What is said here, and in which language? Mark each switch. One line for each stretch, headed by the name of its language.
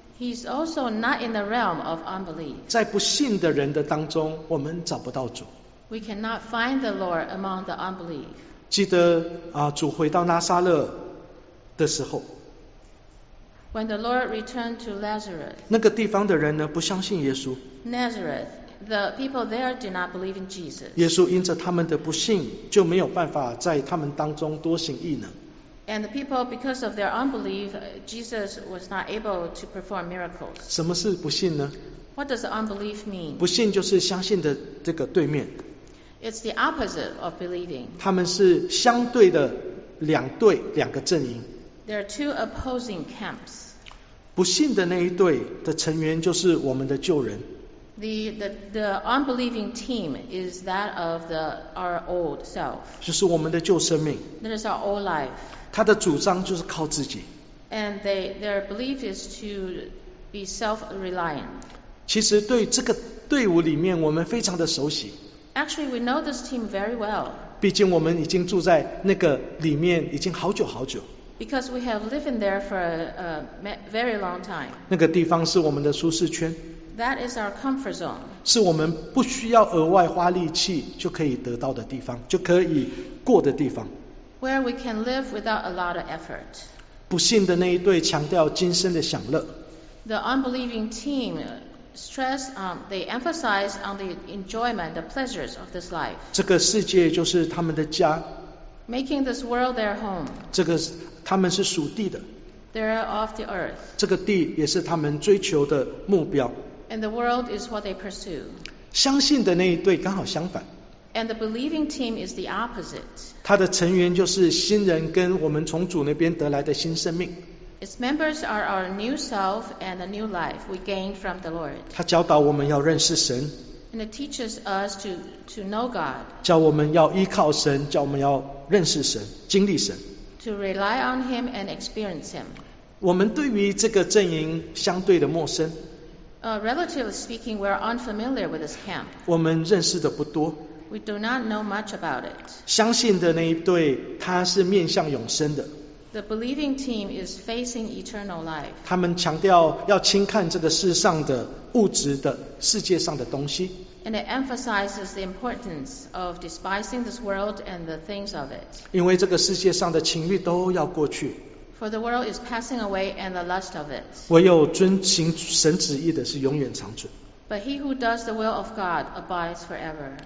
English: He is also not in the realm of unbelief.
Chinese: 在不信的人的当中，我们找不到主。
English: We cannot find the Lord among the unbelief.
Chinese: 记得啊，主回到拿撒勒的时候。
English: When the Lord returned to Lazarus,
Chinese: 那个地方的人呢，不相信耶稣。
English: Nazareth, the people there did not believe in Jesus.
Chinese: 耶稣因着他们的不信，就没有办法在他们当中多行异能。
English: And the people, because of their unbelief, Jesus was not able to perform miracles.
Chinese: 什么是不信呢？
English: What does unbelief mean?
Chinese: 不信就是相信的这个对面。
English: It's the opposite of believing.
Chinese: 他们是相对的两队，两个阵营。
English: There are two opposing camps.
Chinese: 不信的那一队的成员就是我们的旧人。
English: The unbelieving team is that of our old self.
Chinese: 就是我们的旧生命。
English: That is our old life.
Chinese: 他的主张就是靠自己。
English: And their belief is to be self-reliant.
Chinese: 其实对这个队伍里面，我们非常的熟悉。
English: Actually, we know this team very well.
Chinese: 毕竟我们已经住在那个里面已经好久好久。
English: Because we have lived in there for a very long time.
Chinese: 那个地方是我们的舒适圈。
English: That is our comfort zone.
Chinese: 是我们不需要额外花力气就可以得到的地方，就可以过的地方。
English: Where we can live without a lot of effort.
Chinese: 不信的那一队强调今生的享乐。
English: The unbelieving team stress, they emphasize on the enjoyment, the pleasures of this life.
Chinese: 这个世界就是他们的家。
English: Making this world their home.
Chinese: 这个他们是属地的。
English: They're of the earth.
Chinese: 这个地也是他们追求的目标。
English: And the world is what they pursue.
Chinese: 相信的那一对刚好相反。
English: And the believing team is the opposite.
Chinese: 他的成员就是新人跟我们从主那边得来的新生命。
English: Its members are our new self and the new life we gained from the Lord.
Chinese: 他教导我们要认识神。
English: And it teaches us to know God.
Chinese: 教我们要依靠神，教我们要认识神，经历神。
English: To rely on Him and experience Him.
Chinese: 我们对于这个阵营相对的陌生。
English: Relatively speaking, we are unfamiliar with this camp.
Chinese: 我们认识的不多。
English: We do not know much about it.
Chinese: 相信的那一对，他是面向永生的。
English: The believing team is facing eternal life.
Chinese: 他们强调要轻看这个世上的物质的世界上的东西。
English: And it emphasizes the importance of despising this world and the things of it.
Chinese: 因为这个世界上的情欲都要过去。
English: For the world is passing away and the lust of it.
Chinese: 唯有遵行神旨意的是永远长存。
English: But he who does the will of God abides forever.